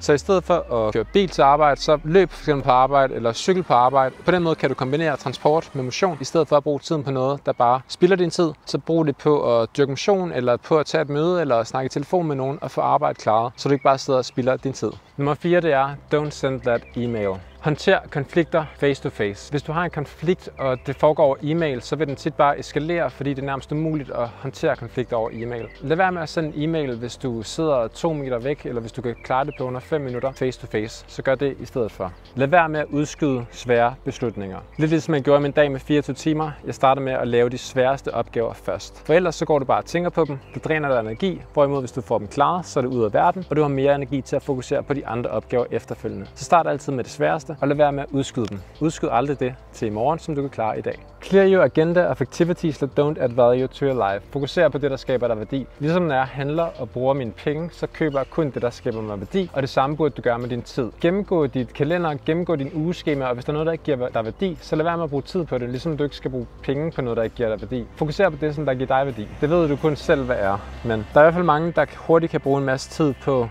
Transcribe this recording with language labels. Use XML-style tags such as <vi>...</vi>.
<da>Så i stedet for at køre bil til arbejde, så løb for eksempel på arbejde eller cykel på arbejde. På den måde kan du kombinere transport med motion, i stedet for at bruge tiden på noget, der bare spilder din tid. Så brug det på at dyrke motion, eller på at tage et møde, eller snakke i telefon med nogen og få arbejdet klaret, så du ikke bare sidder og spilder din tid. Nummer 4, det er,</da> <en>don't send that email.</en> <da>Håndter konflikter</da> <en>face to face.</en> <da>Hvis du har en konflikt, og det foregår over e-mail, så vil den tit bare eskalere, fordi det er nærmest umuligt at håndtere konflikter over e-mail. Lad være med at sende e-mail, hvis du sidder 2 meter væk, eller hvis du kan klare det på under 5 minutter</da> <en>face to face,</en> <da>så gør det i stedet for. Lad være med at udskyde svære beslutninger. Lidt ligesom jeg gjorde min dag med 24 timer, jeg starter med at lave de sværeste opgaver først. For ellers så går du bare og tænker på dem, det dræner dig energi, hvorimod hvis du får dem klaret, så er det ud af verden, og du har mere energi til at fokusere på de andre opgaver efterfølgende. Så start altid med det sværeste, og lad være med at udskyde dem. Udskyd aldrig det til i morgen, som du kan klare i dag.</da> <en>Clear your agenda of activities that don't add value to your life.</en> <da>Fokuser på det, der skaber dig værdi. Ligesom når jeg handler og bruger mine penge, så køber jeg kun det, der skaber mig værdi. Og det samme burde du gøre med din tid. Gennemgå dit kalender, gennemgå din ugeskema, og hvis der er noget, der ikke giver dig værdi, så lad være med at bruge tid på det, ligesom du ikke skal bruge penge på noget, der ikke giver dig værdi. Fokuser på det, som der giver dig værdi. Det ved du kun selv, hvad er. Men der er i hvert fald mange, der hurtigt kan bruge en masse tid på.</da>